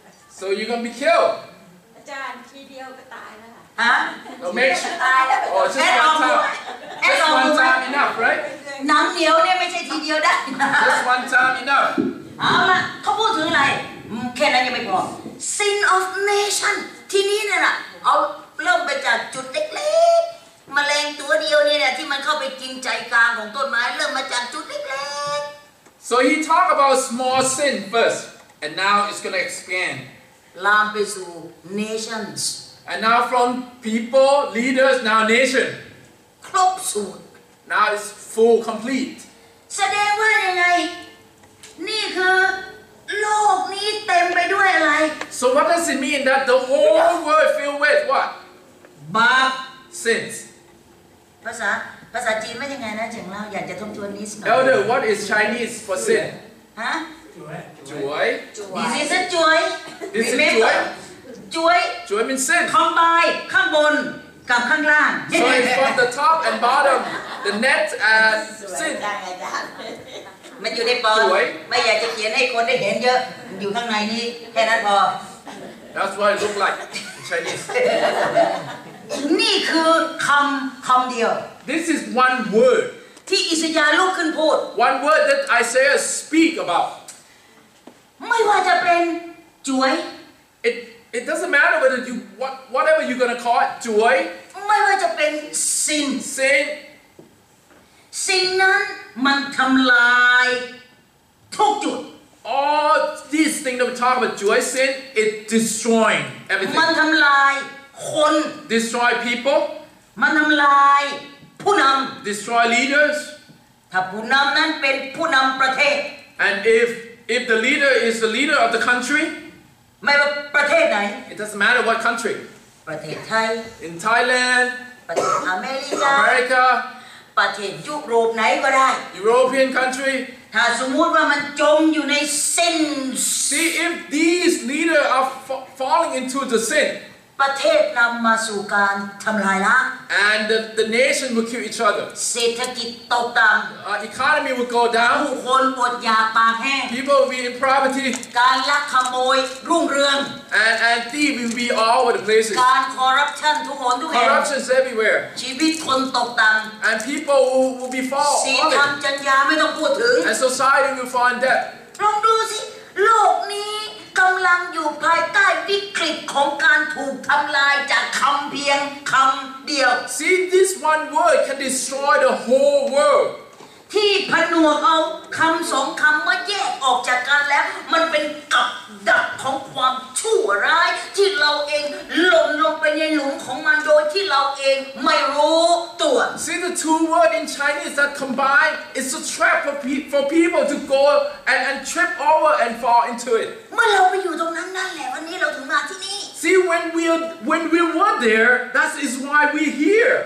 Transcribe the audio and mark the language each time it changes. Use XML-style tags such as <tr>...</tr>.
<en>So you're gonna be killed.</en> <th>อาจารย์ทีเดียวก็ตายแล้ว ฮะ</th> <en>No make sure.</en> <th>ตายแล้ว</th> <en>Oh, just one time. Just one time enough, right?</en> <th>น้ำเหนียวเนี่ยไม่ใช่ทีเดียวได้</th> <en>Just one time enough.</en> <th>เอาละเขาพูดถึงอะไรแค่นั้นยังไม่พอ</th> <en>Sin of nation</en> <th>ที่นี่น่ะเอาเริ่มไปจากจุดเล็กๆมะแรงตัวเดียวเนี่ยที่มันเข้าไปกินใจกลางของต้นไม้เริ่มมาจากจุดเล็ก</th> <en>ๆ So he talk about small sin first and now it's going to expand</en> <th>ลามไปสู่ nations</th> <en>and now from people leaders now nation</en> <th>ครบสูตร</th> <en>Now it's full complete</en> <th>แสดงว่ายังไงนี่คือโลกนี้เต็มไปด้วยอะไร</th> <en>So what does it mean that the whole world filled with what?</en> <th>บาป</th> <en>sins</en> <th>ภาษาจีนว่ายังไงนะเจ๋งเล่าอยากจะทบทวนนิดหน่อย</th> <en>Elder what is Chinese for sin? ฮะ joy this is a joy this is joy joy means sin</en> <th>combine ข้างบนกับข้างล่าง</th> <en>so it's from the top and bottom the net as sin</en> <th>มันอยู่ในปอนไม่อยากจะเขียนให้คนได้เห็นเยอะมันอยู่ข้างในนี้แค่นั้นพอ</th> <en>That's what it look like in Chinese</en> <th>นี่คือคำเดียว</th> <en>This is one word</en> <th>ที่อิสยาห์ลุกขึ้นพูด</th> <en>One word that Isaiah speak about</en> <th>ไม่ว่าจะเป็นจวย</th> <en>It doesn't matter whether you whatever you're gonna call it จวย</en> <th>ไม่ว่าจะเป็นสิ่งสิ่งนั้นมันทำลายทุกจุด</th> <en>All these things that we talk about, joy, sin, it destroying everything.</en> <th>มันทำลายคน</th> <en>Destroy people.</en> <th>มันทำลายผู้นำ</th> <en>Destroy leaders.</en> <th>ถ้าผู้นำนั้นเป็นผู้นำประเทศ</th> <en>And if the leader is the leader of the country,</en> <th>ไม่ว่าประเทศไหน</th> <en>It doesn't matter what country.</en> <th>ประเทศไทย</th> <en>In Thailand.</en> <th>ประเทศอเมริกา</th> <en>America.</en> <th>ประเทศยุโรปไหนก็ได้</th> <en>European country</en> <th>ถ้าสมมุติว่ามันจมอยู่ในสิ่ง</th> <en>See if these leader are falling into the sin</en> <th>ประเทศนำมาสู่การทำลายล้าง</th> <en>And the nation will kill each other</en> <th>เศรษฐกิจตกต่ำ</th> <en>Economy will go down</en> <th>ผู้คนอดอยากปากแห้ง</th> <en>People will be in poverty</en> <th>การลักขโมยรุ่งเรือง</th> <en>And thieves will be all over the places.</en> <th>การ corruption ทุกคนทุกแห่ง</th> <en>Corruption is everywhere.</en> <th>ชีวิตคนตกต่ำ</th> <en>And people will be fall.</en> <th>ศีลธรรมจรรยาไม่ต้องพูดถึง</th> <en>And society will fall in debt.</en> <th>ลองดูสิโลกนี้กำลังอยู่ภายใต้วิกฤตของการถูกทำลายจากคำเพียงคำเดียว</th> <en>See this one word can destroy the whole world.</en> <th>ที่ผนวกเอาคำสองคำมาแยกออกจากกันแล้วมันเป็นกับดักของความชั่วร้ายที่เราเองหล่นลงไปในหลุมของมันโดยที่เราเองไม่รู้ตัว</th> <en>See the two word in Chinese that combine is a trap for people to go and trip over and fall into it</en> <th>เมื่อเราไปอยู่ตรงนั้นนั่นแหละวันนี้เราถึงมาที่นี่</th> <en>See when we were there that is why we here</en>